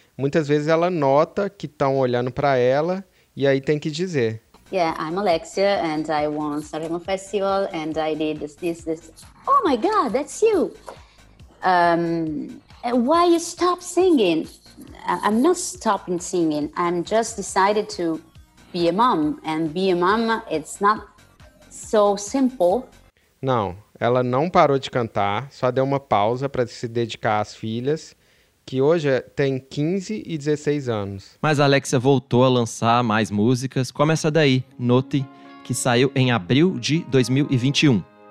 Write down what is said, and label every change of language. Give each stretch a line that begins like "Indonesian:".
Portuguese: Muitas vezes ela nota que estão olhando para ela e aí tem que dizer.
English: Yeah, I'm Alexia and I won San Remo Festival and I did this. Oh my god, that's you. Why you stop singing? I'm not stopping singing. I'm just decided to be a mom and be a mom, it's not so simple.
Portuguese: Não. Ela não parou de cantar, só deu uma pausa para se dedicar às filhas, que hoje tem 15 e 16 anos. Mas a Alexia voltou a lançar mais músicas, como essa daí, Note, que saiu em abril de 2021.